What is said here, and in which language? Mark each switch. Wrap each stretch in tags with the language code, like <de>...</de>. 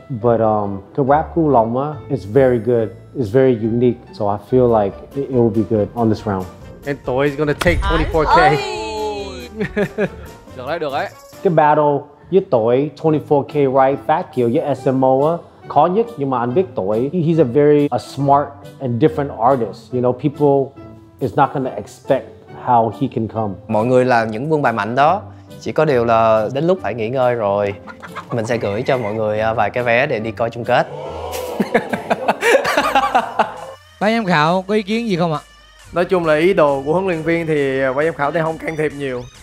<vi>But cái rap của Long á,</vi> <en>it's very good. It's very unique. So I feel like it will be good on this round. And Toy is gonna take 24k.</en> <vi>Được đấy, được đấy. Cái battle với Toy, 24k, right? Fat Kiều với SMO á, khó nhất. Nhưng mà anh biết</vi> <en>Toy, he's a very smart and different artist. You know, people is not gonna expect how he can come.</en> <vi>Mọi người là những vương bài mạnh đó. Chỉ có điều là đến lúc phải nghỉ ngơi rồi. Mình sẽ gửi cho mọi người vài cái vé để đi coi chung kết. Ban giám khảo có ý kiến gì không ạ? Nói chung là ý đồ của huấn luyện viên thì ban giám khảo thì không can thiệp nhiều.</vi>